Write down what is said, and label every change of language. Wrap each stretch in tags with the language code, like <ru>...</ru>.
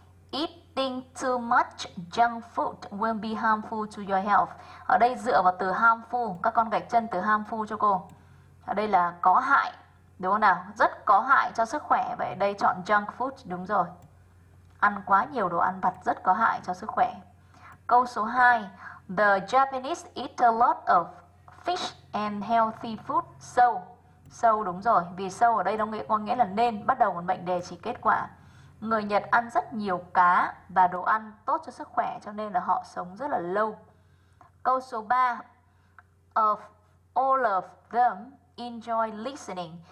<en>Eating too much junk food will be harmful to your health.</en> <vi>Ở đây dựa vào từ harmful, các con gạch chân từ harmful cho cô. Ở đây là có hại, đúng không nào? Rất có hại cho sức khỏe, vậy ở đây chọn junk food đúng rồi. Ăn quá nhiều đồ ăn vặt rất có hại cho sức khỏe. Câu số 2,</vi> <en>the Japanese eat a lot of fish and healthy food, so.</en> <vi>Sâu so, đúng rồi, vì sâu ở đây nó có nghĩa là nên, bắt đầu một mệnh đề chỉ kết quả. Người Nhật ăn rất nhiều cá và đồ ăn tốt cho sức khỏe cho nên là họ sống rất là lâu. Câu số 3,</vi> <en>of all of them enjoy listening.</en>